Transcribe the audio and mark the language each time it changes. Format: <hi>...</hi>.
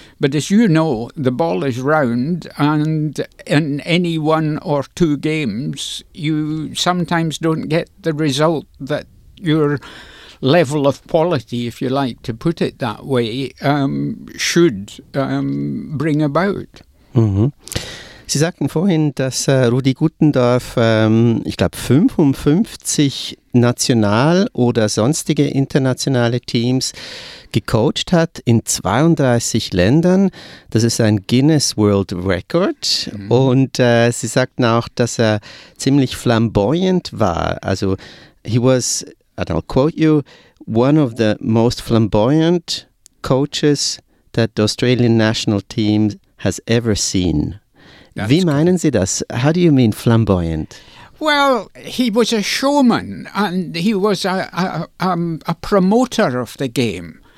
<en>But as you know, the ball is round, and in any one or two games, you sometimes don't get the result that your level of quality, if you like to put it that way, should bring about. Mm-hmm.</en> <de>Sie sagten vorhin, dass Rudi Guttendorf, ich glaube, 55 national oder sonstige internationale Teams gecoacht hat in 32 Ländern. Das ist ein Guinness World Record. Mhm. Und Sie sagten auch, dass er ziemlich flamboyant war.</de> <en>Also, he was, and I'll quote you, one of the most flamboyant coaches that the Australian national team has ever seen. That's</en> <de>Wie meinen Sie das?</de> <en>How do you mean flamboyant? Well, he was a showman, and he was a promoter of the game.</en>